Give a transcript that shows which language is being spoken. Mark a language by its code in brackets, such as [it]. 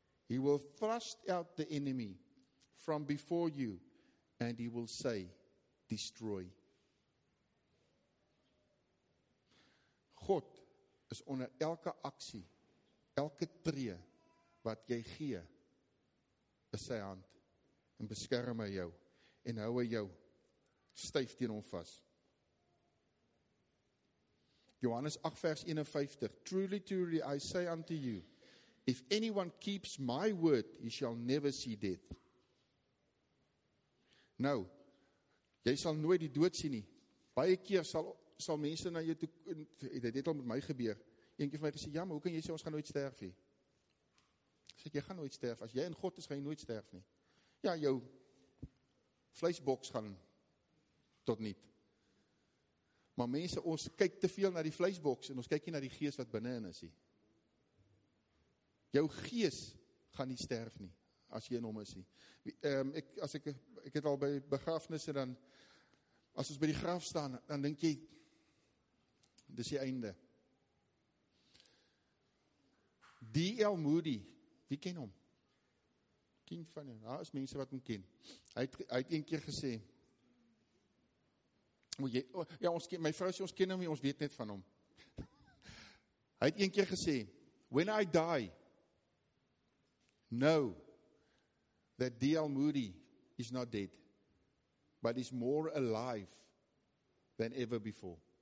[en] He will thrust out the enemy from before you, and he will say, destroy. [af] God is onder elke aksie, elke tree, wat jy gee, is sy hand, en beskerm hy jou, en hou hy jou, styf teen hom vas. Johannes 8 vers 51, [en] truly, truly, I say unto you, if anyone keeps my word, he shall never see death. [af] Nou, jy sal nooit die dood sien nie, baie keer sal mense na jou toe, dit al met my gebeur, een keer van my gesê, ja, maar hoe kan jy sê, ons gaan nooit sterf nie? Sê, jy gaan nooit sterf, as jy in God is, gaan jy nooit sterf nie. Ja, jou vleisboks gaan tot niet. Maar mense, ons kyk te veel na die vleisboks, en ons kyk nie na die gees wat binnen is. Jou gees gaan nie sterf nie, as jy in hom is. Ek het al by begrafnisse, dan, as ons by die graf staan, dan denk jy, dis die einde. D.L. Moody. Wie ken hom? Ken van hom? Daar is mense wat hom ken. Hy het een keer gesê, my vrou sê ons ken hom nie, ons weet net van hom. Hy het een keer gesê, [en] when I die, know that D.L. Moody is not dead, but is more alive than ever before.